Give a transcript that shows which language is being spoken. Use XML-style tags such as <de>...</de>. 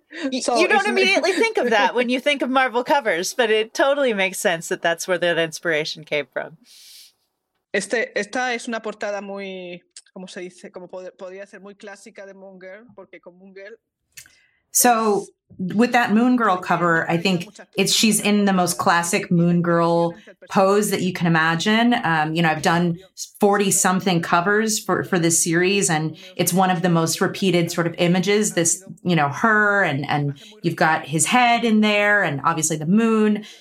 <en>You don't immediately think of that when you think of Marvel covers, but it totally makes sense that that's where that inspiration came from.</en> <es>Esta es una portada muy, como se dice, como podría ser muy clásica de Moon Girl, porque con Moon Girl.</es> <en>So with that Moon Girl cover, I think it's she's in the most classic Moon Girl pose that you can imagine. You know, I've done 40-something covers for this series, and it's one of the most repeated sort of images, this, you know, her, and you've got his head in there, and obviously the moon.</en>